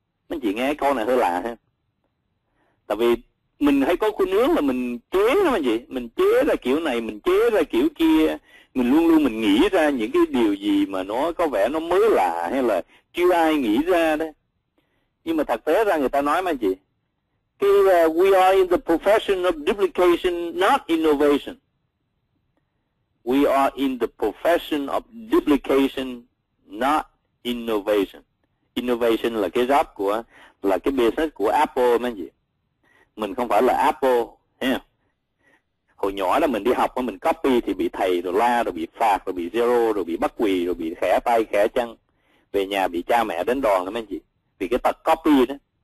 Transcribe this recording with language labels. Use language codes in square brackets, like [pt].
[vi] Mấy anh chị nghe câu này hơi lạ ha. Tại vì mình hay có khuynh hướng là mình chế đó mấy anh chị, mình chế ra kiểu này, mình chế ra kiểu kia, mình luôn luôn mình nghĩ ra những cái điều gì mà nó có vẻ nó mới lạ hay là chưa ai nghĩ ra đó. Nhưng mà thực tế ra người ta nói mấy anh chị, cái [en] we are in the profession of duplication, not innovation. We are in the profession of duplication, not innovation. [vi] Innovation là cái job của, là cái business của Apple mấy anh chị. Mình không phải là Apple. Hồi nhỏ là mình đi học, mình copy thì bị thầy rồi la, rồi bị phạt, rồi bị zero, rồi bị bắt quỳ, rồi bị khẻ tay, khẻ chân. Về nhà bị cha mẹ đánh đòn lắm anh chị. Vì cái tật copy đó.